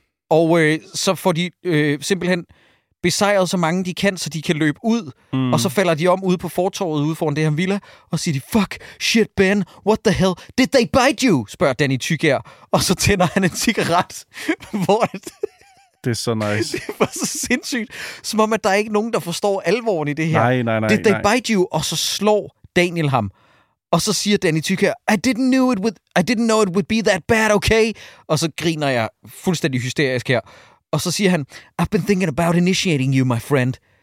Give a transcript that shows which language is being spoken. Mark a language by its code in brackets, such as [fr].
[da] Og så får de simpelthen besejret så mange de kan, så de kan løbe ud, og så falder de om ude på fortorvet ude foran det her villa, og siger de, [en] fuck, shit, Ben, what the hell, did they bite you, [da] spørger Danny Tygær, og så tænder han en cigaret, hvor det er så nice. Det var så sindssygt, som om, at der er ikke nogen, der forstår alvoren i det her. Nej, nej, nej. [en] Did they [da] nej. [en] Bite you, [da] og så slår Daniel ham. Og så siger Danny Tygær, [en] I didn't know it would be that bad, okay? [da] Og så griner jeg fuldstændig hysterisk her. Og så siger han, [en] I've been thinking about initiating you, my friend.